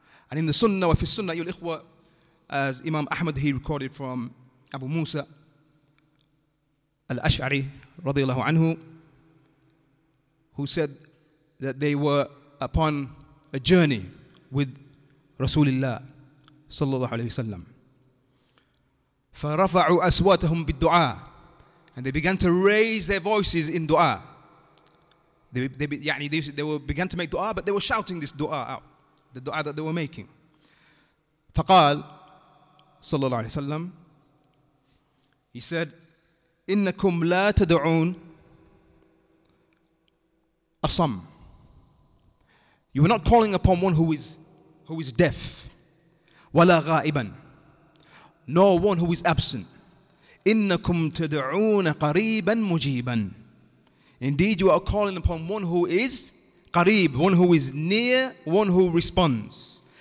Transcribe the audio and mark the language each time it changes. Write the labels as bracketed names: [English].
[English] And in the Sunnah, [Arabic] wa fi Sunnah, ayyul ikhwa, [English] as Imam Ahmad, he recorded from Abu Musa al-Ash'ari, radiyallahu anhu, who said that they were upon a journey with Rasulullah, sallallahu alayhi wa sallam. [Arabic] فَرَفَعُوا أَسْوَاتَهُمْ بِالدُّعَى. [English] And they began to raise their voices in dua. They began to make dua, but they were shouting this dua out, the dua that they were making. [Arabic] فقال صلى الله عليه وسلم, [English] he said, [Arabic] إنكم لا تدعون أصم. [English] You are not calling upon one who is deaf, [Arabic] ولا غائبا, [English] nor one who is absent. [Arabic] إنكم تدعون قريبا مجيبا. [English] Indeed, you are calling upon one who is قريب, one who is near, one who responds.